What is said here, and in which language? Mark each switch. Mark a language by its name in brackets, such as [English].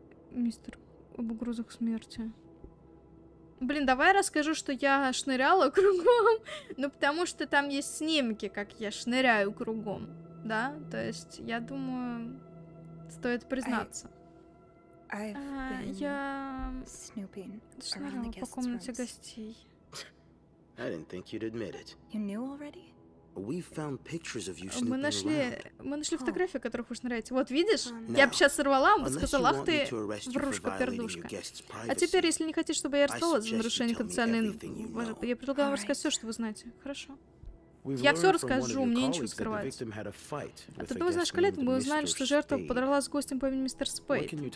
[Russian] Мистер, об угрозах смерти. Блин, давай расскажу, что я шныряла кругом. Ну, потому что там есть снимки, как я шныряю кругом. Да? То есть, я думаю, стоит признаться. Я шныряла по комнате гостей. [English] I didn't think you'd admit it. You knew already? We found pictures of you snooping around. [Russian] Мы нашли фотографии, которых вы шныряете. Вот, видишь? Я бы сейчас сорвала, он бы сказал, ах ты, врушка-пердушка. А теперь, если не хотите, чтобы я арестовала за нарушение конфиденциальной... Я предлагаю вам рассказать все, что вы знаете. Хорошо. Я все расскажу, мне нечего скрывать. От одного из наших коллег мы узнали, что жертва подралась с гостем по имени мистер Спейд.